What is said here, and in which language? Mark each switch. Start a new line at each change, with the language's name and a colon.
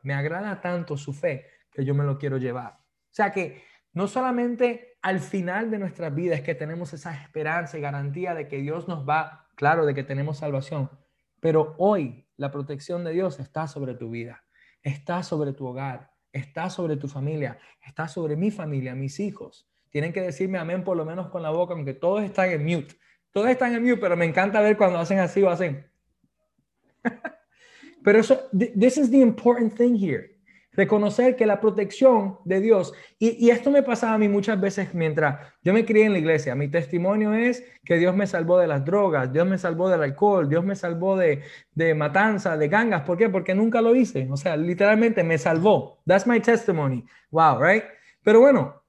Spanish: Me agrada tanto su fe que yo me lo quiero llevar. O sea que no solamente al final de nuestras vidas es que tenemos esa esperanza y garantía de que Dios nos va, claro, de que tenemos salvación, pero hoy la protección de Dios está sobre tu vida, está sobre tu hogar, está sobre tu familia, está sobre mi familia, mis hijos. Tienen que decirme amén por lo menos con la boca, aunque todos están en mute. Todos están en mute, pero me encanta ver cuando hacen así o hacen.
English: Pero eso, this is the important thing here.
Spanish: Reconocer que la protección de Dios, y esto me pasaba a mí muchas veces mientras yo me crié en la iglesia. Mi testimonio es que Dios me salvó de las drogas, Dios me salvó del alcohol, Dios me salvó de matanza, de gangas. ¿Por qué? Porque nunca lo hice. O sea, literalmente me salvó. That's my testimony. Wow, right? Pero bueno.